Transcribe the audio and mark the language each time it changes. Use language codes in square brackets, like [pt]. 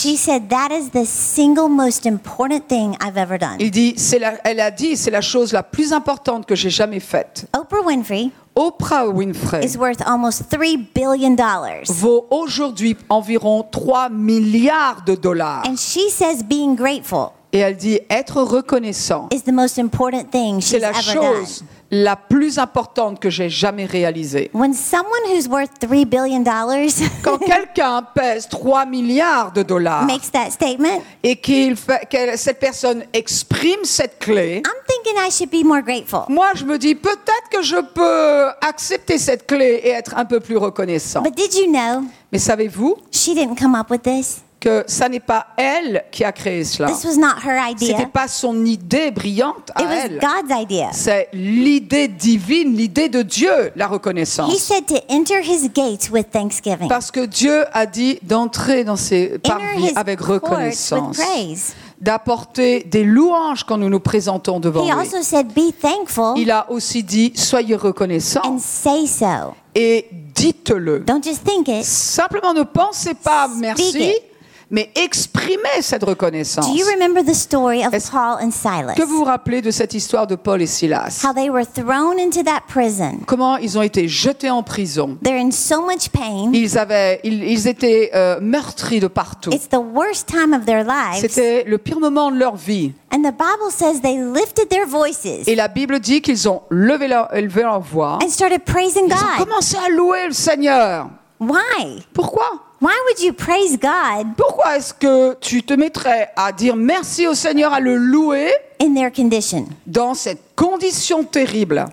[en] She said that is the single most important thing I've ever done. [fr] Elle a dit, c'est la chose la plus importante que j'ai jamais faite. [en] Oprah Winfrey. [fr] Oprah Winfrey [en] is worth almost $3 billion. [fr] Vaut aujourd'hui environ 3 milliards de dollars. [en] And she says being grateful. [fr] Et elle dit être reconnaissant. [en] Is the most important thing she's ever done. [fr] C'est la chose la plus importante que j'ai jamais réalisée. [en] When someone who's worth $3 billion [fr] quand quelqu'un pèse 3 milliards de dollars [en] makes that statement [fr] et qu'elle cette personne exprime cette clé, [en] I'm thinking I should be more grateful. [fr] Moi je me dis peut-être que je peux accepter cette clé et être un peu plus reconnaissant. [en] But did you know? [fr] Mais savez-vous? [en] She didn't come up with this. [fr] que ça n'est pas elle qui a créé cela. [en] This was not her idea. [fr] C'était pas son idée brillante à [en] It was [fr] elle. [en] God's idea. [fr] C'est l'idée divine, l'idée de Dieu, la reconnaissance. [en] He said to enter his gates with thanksgiving. [fr] Parce que Dieu a dit d'entrer dans ses parvis avec reconnaissance. [en] With praise. [fr] D'apporter des louanges quand nous nous présentons devant [en] He also said, be thankful. [fr] Il a aussi dit soyez reconnaissants. [en] And say so. [fr] Et dites-le. [en] Don't just think it. [fr] Simplement ne pensez pas merci. Mais exprimer cette reconnaissance. [en] Do you remember the story of Paul and Silas? [fr] Que vous vous rappelez de cette histoire de Paul et Silas? [en] How they were thrown into that prison. [fr] Comment ils ont été jetés en prison? [en] They're in so much pain. [fr] Ils étaient meurtris de partout. [en] It's the worst time of their lives. [fr] C'était le pire moment de leur vie. [en] And the Bible says they lifted their voices. [fr] Et la Bible dit qu'ils ont levé leur voix. [en] And started praising God. [fr] Ils ont commencé à louer le Seigneur. [en] Why? [fr] Pourquoi? [en] Why would you praise God? [fr] Pourquoi est-ce que tu te mettrais à dire merci au Seigneur, à le louer? [en] In their condition. [fr] Dans cette condition terrible.